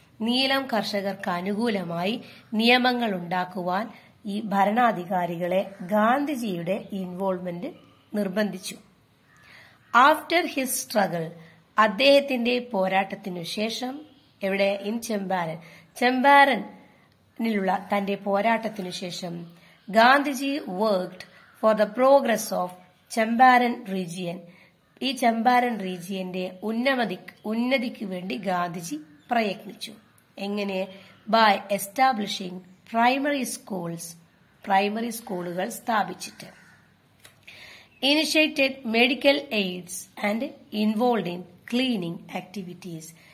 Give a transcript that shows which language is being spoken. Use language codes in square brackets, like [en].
[ml] നീലം കർഷകർക്ക് അനുകൂലമായി നിയമങ്ങൾ ഉണ്ടാക്കുവാൻ ഈ ഭരണാധികാരികളെ ഗാന്ധിജിയുടെ ഇൻവോൾവ്മെന്റ് നിർബന്ധിച്ചു. [en] after his struggle, [ml] അദ്ദേഹത്തിന്റെ പോരാട്ടത്തിനു ശേഷം. എവിടെ? ഇൻ ചെമ്പാരൻ, ചെമ്പാരനിലുള്ള തന്റെ പോരാട്ടത്തിനു ശേഷം. [en] Gandhiji worked for the progress of Champaran region. [ml] ഈ ചമ്പാരൻ റീജിയന്റെ ഉന്നതിക്ക് വേണ്ടി ഗാന്ധിജി പ്രയത്നിച്ചു. എങ്ങനെ? [en] By establishing primary schools. [ml] Primary സ്കൂളുകൾ സ്ഥാപിച്ചിട്ട്. [en] Initiated medical aids and involved in cleaning activities.